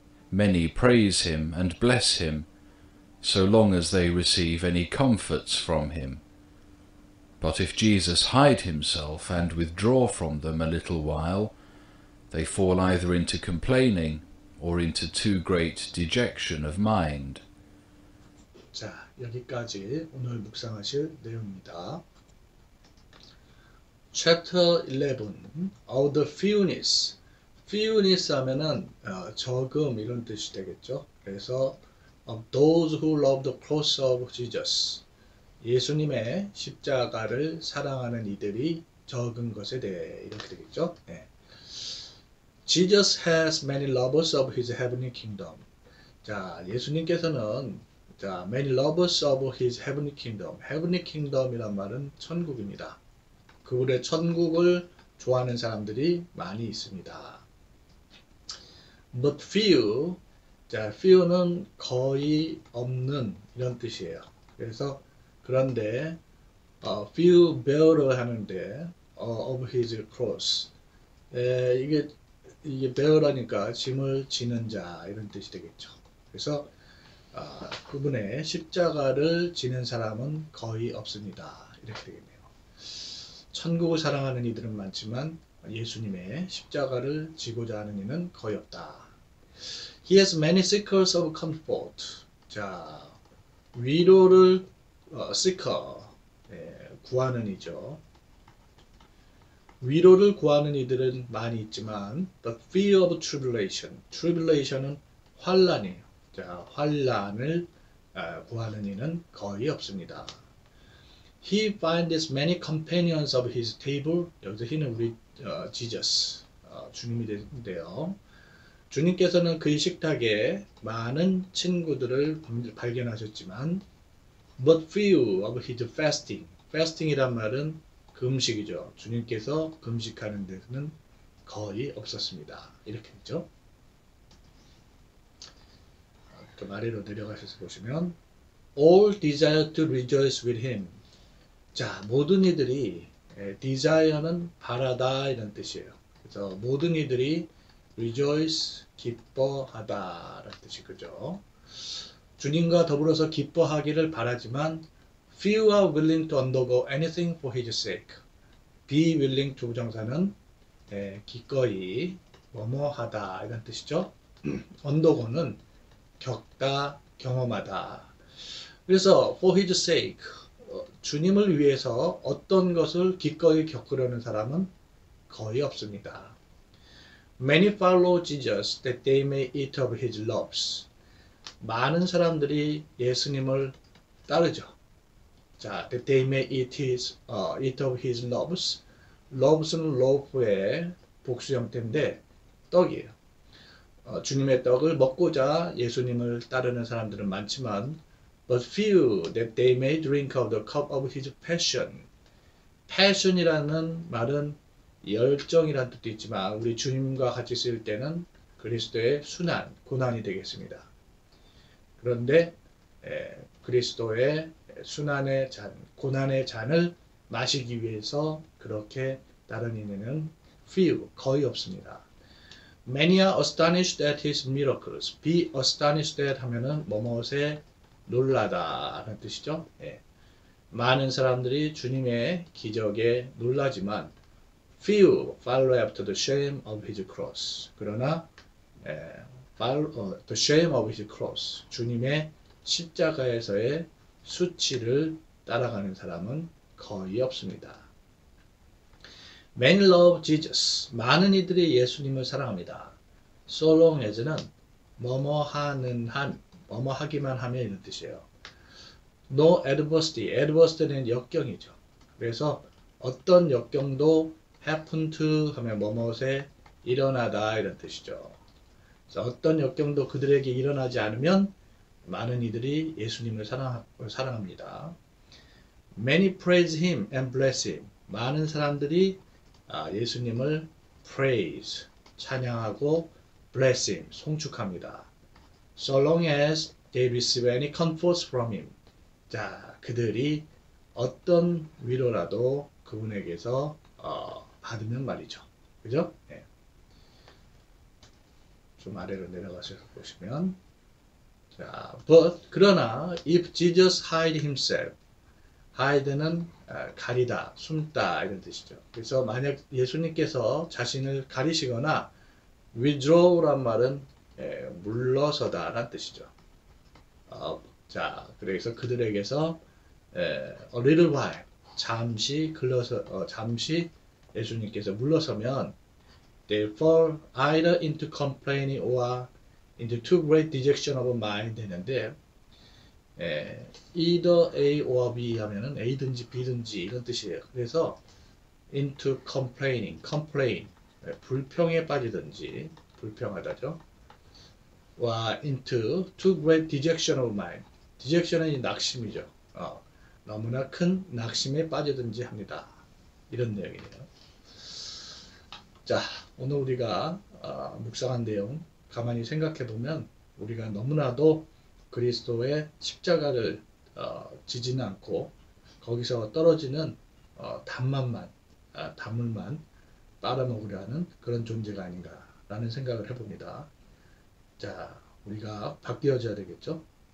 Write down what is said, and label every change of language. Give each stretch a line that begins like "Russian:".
English: Many praise him and bless him so long as they receive any comforts from him. But if Jesus hide himself and withdraw from them a little while, they fall either into complaining or into too great dejection of mind.
Korean: 자, 여기까지 오늘 묵상하실 내용입니다.
English: Chapter 11, of the fewness.
Korean: Fewness 하면은 적음 이런 뜻이 되겠죠. 그래서
English: of those who love the cross of Jesus.
Korean: 예수님의 십자가를 사랑하는 이들이 적은 것에 대해 이렇게 되겠죠. 네.
English: Jesus has many lovers of his heavenly kingdom.
Korean: 자, 예수님께서는 자,
English: many lovers of his heavenly kingdom.
Korean: Heavenly kingdom이란 말은 천국입니다. 그분의 천국을 좋아하는 사람들이 많이 있습니다.
English: But few,
Korean: 자, few는 거의 없는 이런 뜻이에요. 그래서 그런데
English: few bearer
Korean: 하는데
English: of his cross
Korean: 이게 bearer 하니까 짐을 지는 자 이런 뜻이 되겠죠. 그래서 그분의 십자가를 지는 사람은 거의 없습니다. 이렇게 되겠네요. 천국을 사랑하는 이들은 많지만 예수님의 십자가를 지고자 하는 이는 거의 없다.
English: He has many seekers of comfort.
Korean: 자, 위로를 seeker, 구하는 이죠. 위로를 구하는 이들은 많이 있지만,
English: the fear of tribulation.
Korean: Tribulation은 환란이에요. 자, 환란을 구하는 이는 거의 없습니다.
English: He finds many companions of his table.
Korean: 여기서 he는 우리 Jesus, 주님이 되는데요. 주님께서는 그의 식탁에 많은 친구들을 발견하셨지만,
English: But few of his fasting.
Korean: Fasting이란 말은 금식이죠. 주님께서 금식하는 데서는 거의 없었습니다. 이렇게 되죠. 그 아래로 내려가셔서 보시면,
English: All desire to rejoice with him.
Korean: 자, 모든 이들이, desire는 바라다, 이런 뜻이에요. 그래서 모든 이들이 rejoice, 기뻐하다, 라는 뜻이 그죠. 주님과 더불어서 기뻐하기를 바라지만,
English: few are willing to undergo anything for his sake. be willing to
Korean: 부정사는 기꺼이 뭐뭐 하다 이런 뜻이죠. undergo는 겪다, 경험하다. 그래서
English: for his sake,
Korean: 주님을 위해서 어떤 것을 기꺼이 겪으려는 사람은 거의 없습니다.
English: many follow Jesus that they may eat of his loaves.
Korean: 많은 사람들이 예수님을 따르죠.
English: 자, that they may eat of his loaves.
Korean: loaves는 loaf의 복수 형태인데 떡이에요. 주님의 떡을 먹고자 예수님을 따르는 사람들은 많지만,
English: but few that they may drink of the cup of his passion.
Korean: passion이라는 말은 열정이라는 뜻도 있지만 우리 주님과 같이 쓰일 때는 그리스도의 순환, 고난이 되겠습니다. 그런데 그리스도의 순환의 잔, 고난의 잔을 마시기 위해서 그렇게 다른 이는 few, 거의 없습니다.
English: Many are astonished at his miracles. Be astonished at
Korean: 하면은 뭐뭇에 놀라다 하는 뜻이죠. 예. 많은 사람들이 주님의 기적에 놀라지만
English: few follow after the shame of his cross.
Korean: 그러나 예,
English: the shame of his cross.
Korean: 주님의 십자가에서의 수치를 따라가는 사람은 거의 없습니다.
English: Many love Jesus.
Korean: 많은 이들이 예수님을 사랑합니다.
English: So long as
Korean: 는 뭐뭐 하는 한, 뭐뭐 하기만 하면 이런 뜻이에요.
English: No adversity.
Korean: Adversity는 역경이죠. 그래서 어떤 역경도
English: happen to
Korean: 하면 뭐뭐에 일어나다 이런 뜻이죠. 그래서 어떤 역경도 그들에게 일어나지 않으면 많은 이들이 예수님을 사랑합니다.
English: Many praise him and bless him.
Korean: 많은 사람들이 예수님을 praise, 찬양하고
English: bless him,
Korean: 송축합니다.
English: So long as they receive any comfort from him.
Korean: 자, 그들이 어떤 위로라도 그분에게서 받으면 말이죠. 그죠? 네. 좀 아래로 내려가서 보시면 자, but 그러나
English: if Jesus hide himself,
Korean: hide는 가리다, 숨다 이런 뜻이죠. 그래서 만약 예수님께서 자신을 가리시거나 withdraw란 말은 물러서다 라는 뜻이죠. 자, 그래서 그들에게서
English: a little while,
Korean: 잠시 글러서 잠시 예수님께서 물러서면
English: they fall either into complaining or into too great dejection of mind
Korean: 되는데
English: either A or B
Korean: 하면은 A든지 B든지 이런 뜻이에요. 그래서
English: into complaining,
Korean: complain 불평에 빠지든지 불평하다죠.
English: or into too great dejection of mind.
Korean: dejection은 낙심이죠. 너무나 큰 낙심에 빠지든지 합니다. 이런 내용이에요. 자, 오늘 우리가 묵상한 내용 가만히 생각해 보면 우리가 너무나도 그리스도의 십자가를 지지는 않고 거기서 떨어지는 단맛만, 단물만 빨아먹으려 하는 그런 존재가 아닌가라는 생각을 해봅니다. 자, 우리가 바뀌어져야 되겠죠?